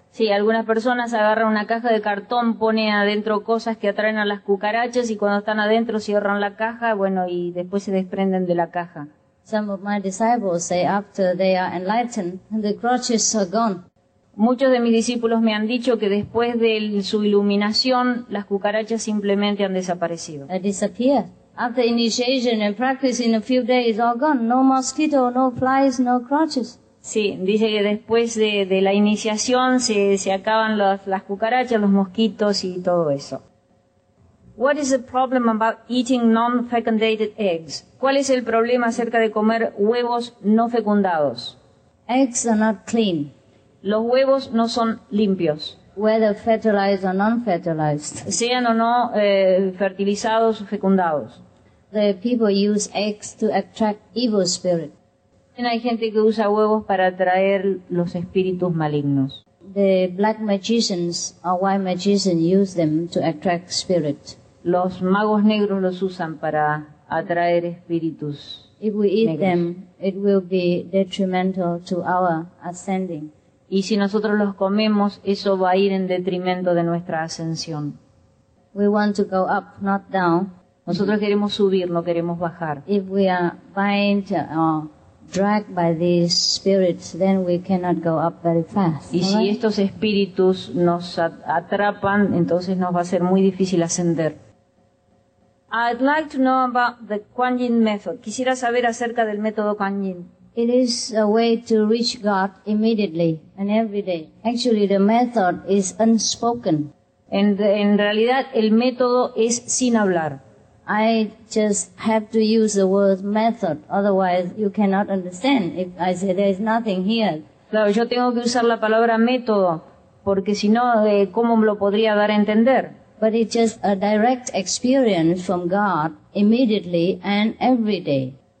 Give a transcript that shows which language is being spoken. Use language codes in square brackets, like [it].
[es] Sí, algunas personas agarran una caja de cartón, ponen adentro cosas que atraen a las cucarachas, y cuando están adentro cierran la caja, bueno, y después se desprenden de la caja. [en] Some of my disciples say after they are enlightened, the roaches are gone. [es] Muchos de mis discípulos me han dicho que después de su iluminación, las cucarachas simplemente han desaparecido. [en] They disappear. After initiation and practice in a few days, it's all gone. No mosquito, no flies, no crotches. [es] Sí, dice que después de la iniciación se acaban las cucarachas, los mosquitos y todo eso. [en] What is the problem about eating non-fecundated eggs? [es] ¿Cuál es el problema acerca de comer huevos no fecundados? [en] Eggs are not clean. [es] Los huevos no son limpios. [en] Whether fertilized or non-fertilized. [es] Sean o no fertilizados o fecundados. [en] The people use eggs to attract evil spirits. [es] También hay gente que usa huevos para atraer los espíritus malignos. [en] The black magicians or white magicians use them to attract spirits. [es] Los magos negros los usan para atraer espíritus. [en] If we eat [es] negros. [en] Them, it will be detrimental to our ascending. [es] Y si nosotros los comemos, eso va a ir en detrimento de nuestra ascensión. [en] We want to go up, not down. [es] Nosotros queremos subir, no queremos bajar. [en] If we are bind or dragged by these spirits, then we cannot go up very fast. [es] Y si estos espíritus nos atrapan, entonces nos va a ser muy difícil ascender. [en] I'd like to know about the Kuan Yin method. [es] Quisiera saber acerca del método Kuan Yin. [en] It is a way to reach God immediately and every day. Actually, the method is unspoken. [es] En realidad, el método es sin hablar. [en] I just have to use the word method, otherwise you cannot understand if I say there is nothing here. [es] Claro, yo tengo que usar la palabra método, porque si no, ¿cómo me lo podría dar a entender? [en] But it's just a direct experience from God immediately and every day.